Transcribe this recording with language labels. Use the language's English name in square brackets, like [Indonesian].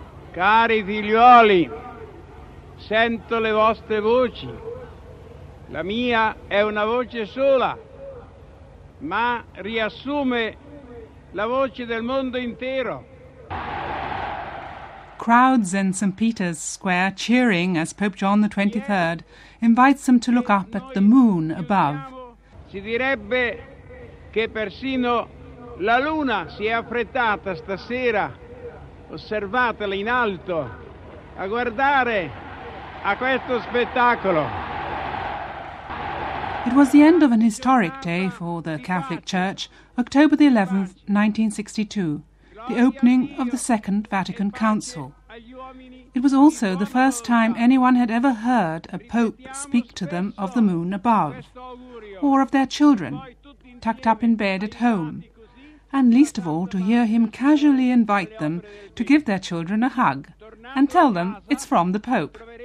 [Italian] Cari figlioli, sento le vostre voci. La mia è una voce sola, ma riassume la voce del mondo intero. [English] Crowds in St. Peter's Square cheering as Pope John the 23rd invites them to look up at the moon above. [Italian] Si direbbe che persino la luna si è affrettata stasera. Osservatela in alto, a guardare a questo spettacolo. [English] It was the end of an historic day for the Catholic Church, October the 11th, 1962, the opening of the Second Vatican Council. It was also the first time anyone had ever heard a pope speak to them of the moon above, or of their children, tucked up in bed at home, and least of all to hear him casually invite them to give their children a hug and tell them it's from the Pope.